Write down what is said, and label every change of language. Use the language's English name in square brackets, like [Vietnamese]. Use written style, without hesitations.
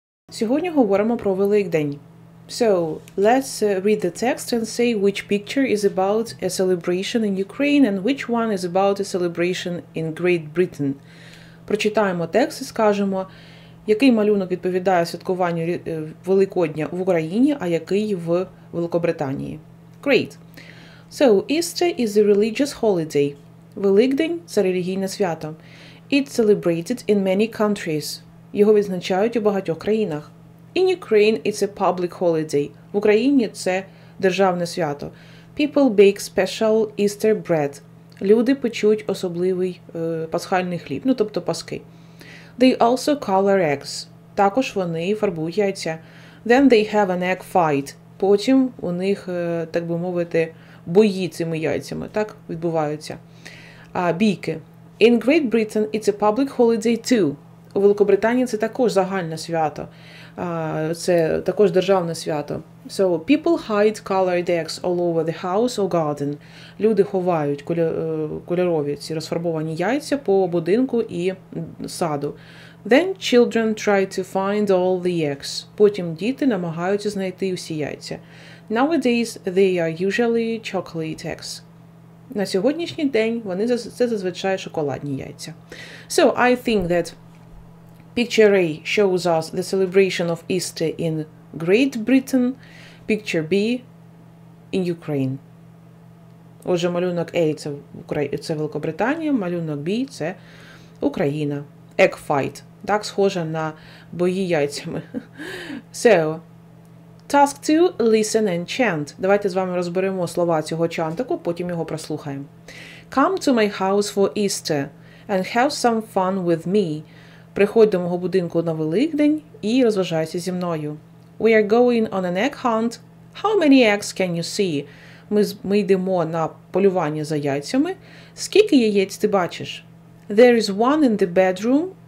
[Ukrainian] Сьогодні говоримо про Великдень. [English] So, let's read the text and say which picture is about a celebration in Ukraine and which one is about a celebration in Great Britain. [Ukrainian] Прочитаємо текст і скажемо, який малюнок відповідає святкуванню Великодня в Україні, а який в Великобританії. [English] Great. So, Easter is a religious holiday. [Ukrainian] Великдень – це релігійне свято. [English] It's celebrated in many countries. [Ukrainian] Його відзначають у багатьох країнах. [English] In Ukraine it's a public holiday. [Ukrainian] В Україні це державне свято. [English] People bake special Easter bread. [Ukrainian] Люди печуть особливий пасхальний хліб, ну тобто паски. [English] They also color eggs. [Ukrainian] Також вони фарбують яйця. [English] Then they have an egg fight. [Ukrainian] Потім у них, так би мовити, бої цими яйцями, так відбуваються. Бійки. [English] In Great Britain it's a public holiday too. [Ukrainian] У Великобританії це також загальне свято. Це також державне свято. [English] So, people hide colored eggs all over the house or garden. [Ukrainian] Люди ховають кольорові ці розфарбовані яйця по будинку і саду. [English] Then children try to find all the eggs. [Ukrainian] Потім діти намагаються знайти усі яйця. [English] Nowadays they are usually chocolate eggs. [Ukrainian] На сьогоднішній день вони це зазвичай шоколадні яйця. [English] So, I think that Picture A shows us the celebration of Easter in Great Britain. Picture B in Ukraine. [Ukrainian] Отже, малюнок A – це Великобританія, малюнок B – це Україна. [English] Egg fight. [Ukrainian] Так, схоже на бої яйцями. [English] So, task 2 – listen and chant. [Ukrainian] Давайте з вами розберемо слова цього чантику, потім його прослухаємо. [English] Come to my house for Easter and have some fun with me. [Ukrainian] Приходь до мого будинку на Великдень і розважайся зі мною. [English] We are going on an egg hunt. How many eggs can you see? [Ukrainian] Ми йдемо на полювання за яйцями. Скільки яєць ти бачиш? [English] There is one in the bedroom.